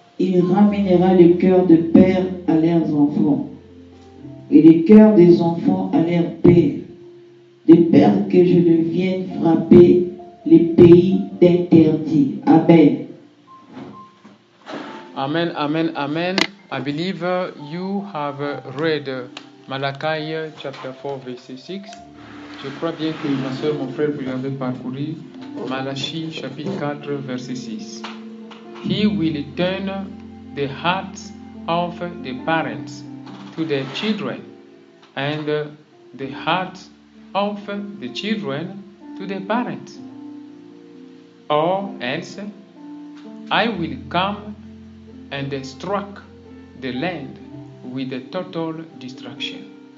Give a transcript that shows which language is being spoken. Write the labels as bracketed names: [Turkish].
[French] Il ramènera le cœur de père à leurs enfants, et le cœur des enfants à leurs pères, de peur que je ne vienne frapper les pays d'interdit. Amen. Amen, amen, amen. [English] I believe you have read Malachi chapter 4, verset 6. [French] Je crois bien que ma soeur, mon frère, vous l'avez parcouru. Malachi chapitre 4, verset 6. [English] He will turn the hearts of the parents to their children, and the hearts of the children to their parents. Or else, I will come and strike the land with a total destruction.